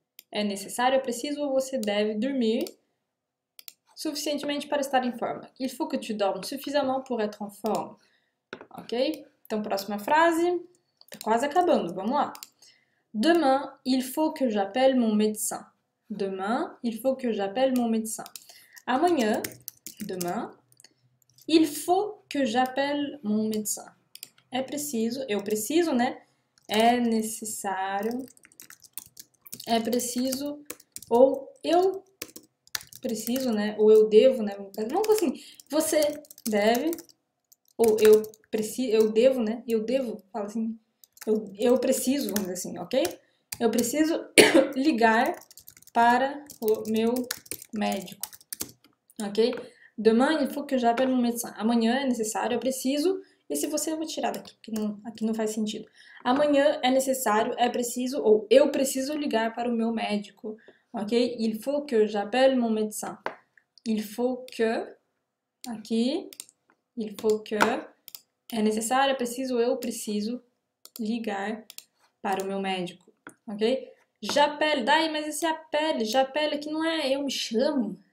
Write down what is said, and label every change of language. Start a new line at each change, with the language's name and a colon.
Portuguese: É necessário, é preciso ou você deve dormir suficientemente para estar em forma.
French: Il faut que tu dormes suffisamment pour être en forme.
Portuguese: Ok? Então, próxima frase. Tá quase acabando. Vamos lá.
French: Demain, il faut que j'appelle mon médecin. Demain, il faut que j'appelle mon médecin.
Portuguese: Amanhã,
French: demain, il faut que j'appelle mon médecin.
Portuguese: É preciso, eu preciso, né? É necessário, é preciso, ou eu preciso, né? Ou eu devo, né? Vamos assim, você deve, ou eu preciso, eu devo, né? Eu devo, fala assim, eu preciso, vamos dizer assim, ok? Eu preciso ligar para o meu médico, ok?
French: Demain, il faut que j'appelle mon médecin.
Portuguese: Amanhã é necessário, é preciso. E se você, eu vou tirar daqui, porque aqui não faz sentido. Amanhã é necessário, é preciso, ou eu preciso ligar para o meu médico, ok?
French: Il faut que j'appelle mon médecin. Il faut que,
Portuguese: aqui,
French: il faut que,
Portuguese: é necessário, é preciso, eu preciso ligar para o meu médico, ok? J'appelle, daí, mas esse appelle, j'appelle aqui não é eu me chamo?